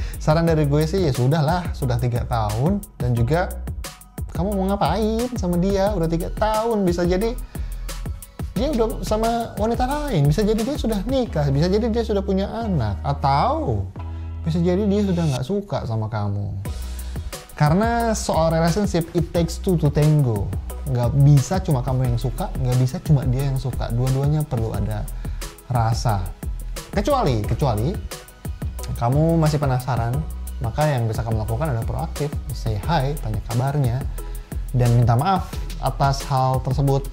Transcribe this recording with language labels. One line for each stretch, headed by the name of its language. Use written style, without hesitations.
Indonesian: Saran dari gue sih ya sudahlah, sudah 3 tahun. Dan juga kamu mau ngapain sama dia udah 3 tahun, bisa jadi dia udah sama wanita lain, bisa jadi dia sudah nikah, bisa jadi dia sudah punya anak, atau bisa jadi dia sudah gak suka sama kamu. Karena soal
English: relationship, it takes two to tango.
Indonesian: Gak bisa cuma kamu yang suka, gak bisa cuma dia yang suka. Dua-duanya perlu ada rasa. Kecuali kamu masih penasaran, maka yang bisa kamu lakukan adalah proaktif.
English: Say hi,
Indonesian: tanya kabarnya, dan minta maaf atas hal tersebut.